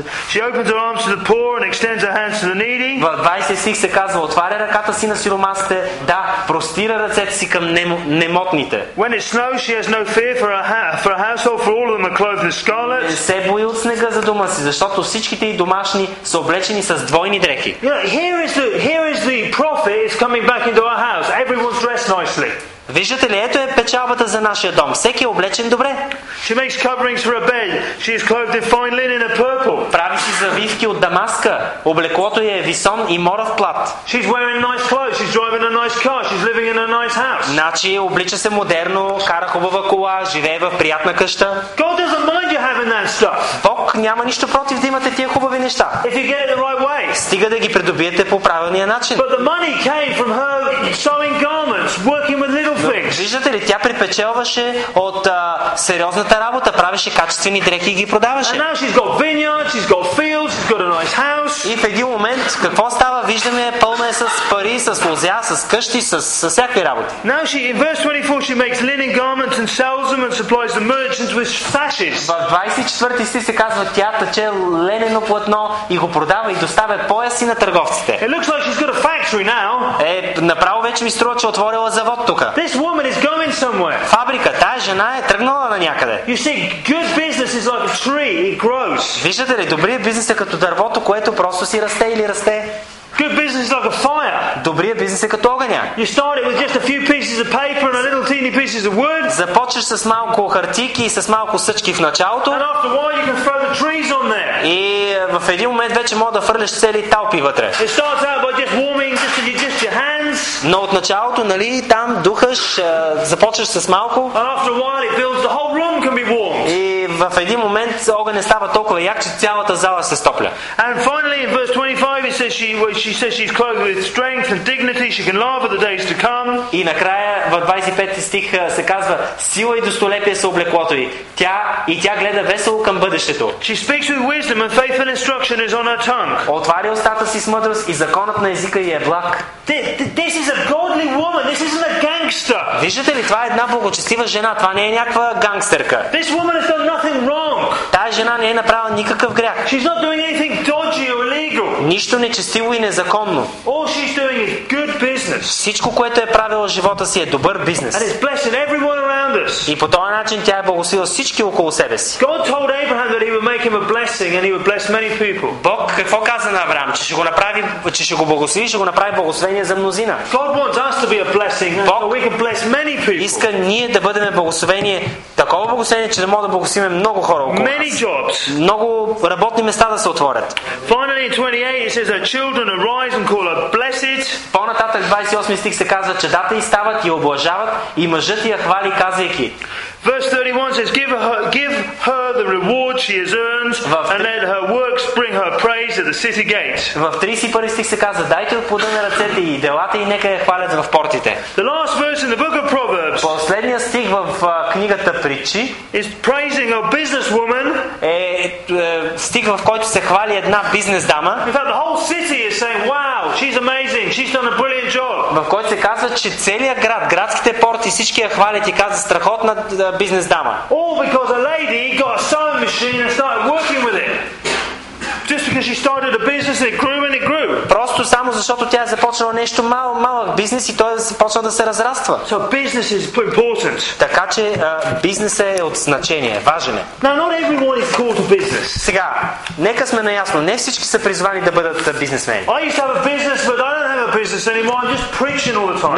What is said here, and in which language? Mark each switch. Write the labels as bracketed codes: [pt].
[en] She opens her arms to the poor and extends her hands to the needy. [bg] В 26 се казва: отваря ръката си на сиромасите, да, простира ръцете си към немотните. [en] When it snows, she has no fear for her household, for all of them are clothed in scarlet. [bg] Не се бои от снега за дома си, защото всичките й домашни са облечени с двойни дрехи. [en] Here is the prophet is coming back into our house. Everyone's dressed nicely. [bg] Виждате ли, ето е печалбата за нашия дом. Всеки е облечен добре. [en] She makes coverings for a bed. She is clothed in fine linen and purple. [bg] Прави си завивки от дамаска. Облеклото е висон и моров плат. [en] She's wearing nice clothes. She's driving a nice car. She's living in a nice house. [bg] Значи облича се модерно, кара хубава кола, живее в приятна къща. [en] God doesn't mind you having that stuff. [bg] Бог няма нищо против да имате тия хубави неща. [en] If you get it the right way. [bg] Стига да ги придобиете по правилния начин. [en] But the money came from her sewing garments, working with little. [bg] Но, виждате ли, тя припечелваше от сериозната работа, правеше качествени дрехи и ги продаваше. [en] And now she's got vineyards, she's got fields, she's got a nice house. [bg] И в един момент какво става? Виждаме, пълна е с пари, с лузя, с къщи, с всякакви работи. [en] Now she, in verse 24, she makes linen garments and sells them and supplies the merchants with sashes. [bg] В 24 стих се казва: тя тъче ленено платно и го продава и доставя пояси на търговците. [en] It looks like she's got a factory now. [bg] Е, направо вече ми струва, че отворила завод тук. [en] This woman is going somewhere. [bg] Фабрика, тая жена е тръгнала на някъде. [en] You see, good business is like a tree, it grows. [bg] Виждате ли, добрият бизнес е като дървото, което просто си расте или расте. [en] Good business is like a fire. [bg] Добрият бизнес е като огъня. [en] You start it with just a few pieces of paper and a little teeny pieces of wood. [bg] Започваш с малко хартики и с малко съчки в началото. [en] And after a while you can throw the trees on there. [bg] И в един момент вече може да фърлиш цели тълпи вътре. [en] It starts out by just warming, just your hands. [bg] Но от началото, нали, там духаш, започваш с малко. [en] And after a while it builds, the whole room can be warm. [bg] В един момент огънът става толкова як, че цялата зала се стопля. [en] And finally in verse 25 it says she says she's clothed with strength and dignity, she can laugh at the days to come. [bg] И накрая в 25 стих се казва: сила и достолепие са облеклото ѝ. Тя гледа весело към бъдещето. [en] She speaks with wisdom and faithful instruction is on her tongue. [bg] Отваря устата си с мъдрост и законът на езика ѝ е благ. [en] This is a godly woman. This isn't a gangster. [bg] Виждате ли, това е една благочестива жена, това не е някаква гангстерка. [en] This woman is not [bg] Тая жена не е направила никакъв грях. [en] She's not doing anything dodgy or illegal. [bg] Нищо нечестиво и незаконно. [en] All she's doing is good business. [bg] Всичко, което е правила в живота си, е добър бизнес. [en] And it's blessing everyone around us. [bg] И по този начин тя е благословила всички около себе си. [en] God told Abraham that he would make him a blessing and he would bless many people. [bg] Бог какво каза на Авраам, че ще го направи, че ще го благослови, ще го направи благословение за мнозина. [en] God wants us to be a blessing so we can bless many people. [bg] Иска ние да бъдем благословение, такова благословение, че да можем да благословим много хора около [en] Many [bg] нас. [en] Jobs. [bg] Много работни места да се отворят. [en] Finally, 28, it says that children arise and call her blessed. [bg] По-нататък 28 стих се казва, че дата и стават и облажават и мъжът я хвали, казвайки. [en] Verse 31 says, give her the reward she has earned and let her works bring her praise at the city gate. [bg] В 31 стих се казва, дайте от плода на ръцете и делата и нека я хвалят в портите. [en] The last verse in the book of Proverbs. [bg] Последният стих в книгата Притчи [en] is praising a businesswoman. [bg] Е стих, в който се хвали една бизнес дама. [en] In fact, the whole city is saying, wow, she's amazing, she's done a brilliant job. [bg] В който се казва, че целият град, градските порти, всички я хвалят и казват, страхотна бизнес дама. [en] All because a lady got a sewing machine and started working with it. Just because she started a business and it grew and it grew. [bg] Просто само защото тя е започнала нещо малък бизнес и той е почнал да се разраства. [en] So business is important. [bg] Така че бизнесът е от значение, важен е. [en] Now not everyone is called to business. [bg] Сега, нека сме наясно, не всички са призвани да бъдат бизнесмени. [en] I used to have a business, but I don't have a business anymore. I'm just preaching all the time.